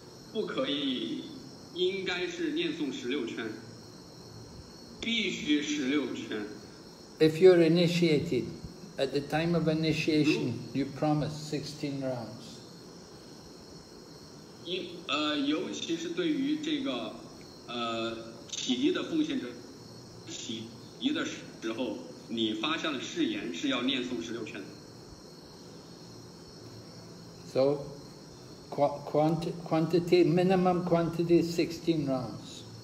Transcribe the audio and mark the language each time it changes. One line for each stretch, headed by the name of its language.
Chinese: 不可以，应该是念诵十六圈，必须十六圈。
English: If you're initiated, at the time of initiation, you promise 16 rounds.
Chinese: 尤其是对于这个起义的奉献者起义的时候你发下的誓言是要念诵十六圈
English: So quantity minimum quantity 16 rounds